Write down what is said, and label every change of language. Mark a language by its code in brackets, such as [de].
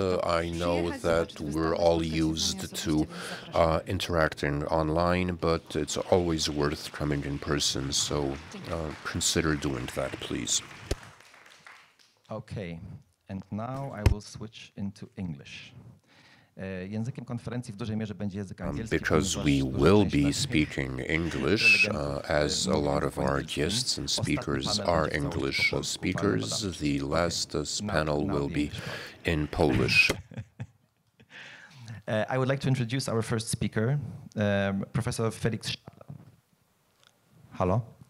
[en] I know that we're all used to interacting online, but it's always worth coming in person, so consider doing that, please. Okay, and now I will switch into English. [pl] Językiem konferencji w dużej mierze będzie język angielski. [en] Because we will be speaking English, as a lot of our guests and speakers are English speakers, the last panel will be in Polish. I would like to introduce our first speaker, Professor Felix Stadler. Hello.